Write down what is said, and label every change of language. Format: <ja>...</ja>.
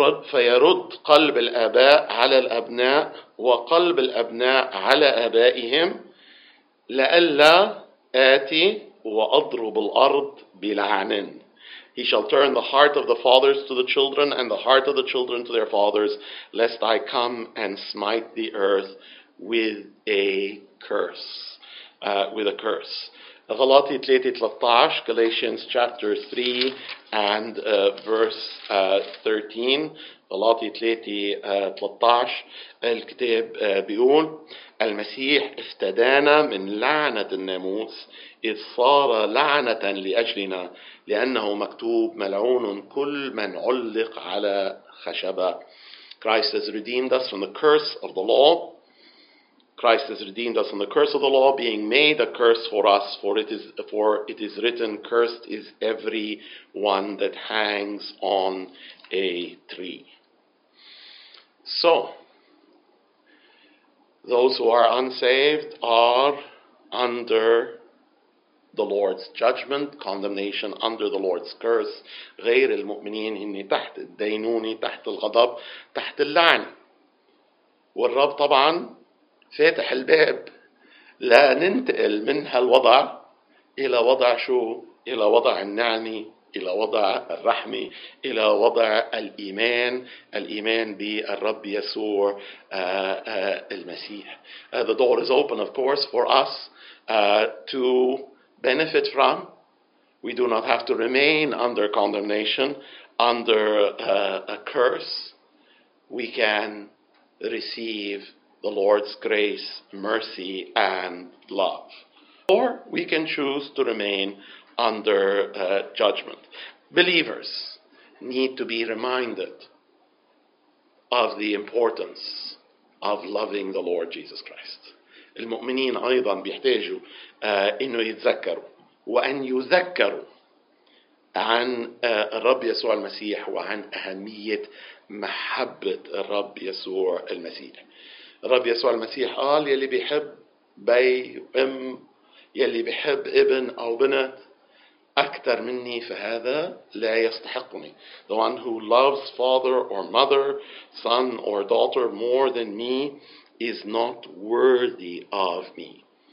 <ar>فيرد قلب الآباء على الأبناء وقلب الأبناء على آبائهم لألا آتي وأضرب الأرض بلعن.</ar> <en>He shall turn the heart of the fathers to the children and the heart of the children to their fathers, lest I come and smite the earth with a curse. Galati 3:13, Galatians chapter 3 and verse 13.</en> <ar>Galati 3:13, الكتاب بيقول المسيح استدانا من لعنة الناموس إذ صار لعنة لأجلنا لأنه مكتوب ملعون كل من علق على خشبة.</ar> <en>Christ has redeemed us from the curse of the law. Christ has redeemed us from the curse of the law, being made a curse for us, for it is written, cursed is every one that hangs on a tree. So, those who are unsaved are under the Lord's judgment, condemnation under the Lord's curse.</en> <ar>غير المؤمنين هن تحت الدينونة, تحت الغضب, تحت اللعنة. والرب طبعا فاتح الباب لا ننتقل من هالوضع إلى وضع شو؟ إلى وضع النعمة, إلى وضع الرحمة, إلى وضع الإيمان, الإيمان بالرب يسوع المسيح.</ar> <en>The door is open, of course, for us to benefit from. We do not have to remain under condemnation, under a curse. We can receive the Lord's grace, mercy, and love. Or we can choose to remain under judgment. Believers need to be reminded of the importance of loving the Lord Jesus Christ.</en> <ar>المؤمنين أيضا بيحتاجوا إنه يتذكروا وأن يذكروا عن الرب يسوع المسيح وعن أهمية محبة الرب يسوع المسيح. الرب يسوع المسيح قال يلي بيحب بي وام, يلي بيحب ابن او بنت اكتر مني فهذا لا يستحقني.</ar> <en>The one who loves father or mother, son or daughter more than me is not worthy of me.</en>